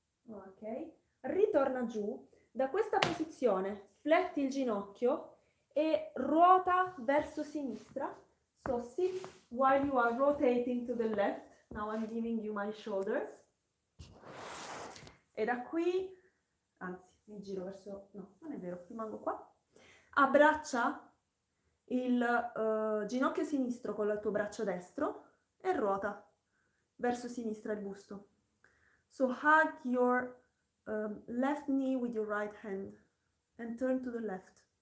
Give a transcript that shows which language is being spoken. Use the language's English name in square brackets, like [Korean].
[Italian] Ok, ritorna giù, da questa posizione fletti il ginocchio, e ruota verso sinistra. [English] So sit while you are rotating to the left. Now I'm giving you my shoulders. [Italian] E da qui, anzi, mi giro verso, no, non è vero, rimango qua. Abbraccia il ginocchio sinistro con il tuo braccio destro e ruota verso sinistra il busto. [English] So hug your left knee with your right hand and turn to the left.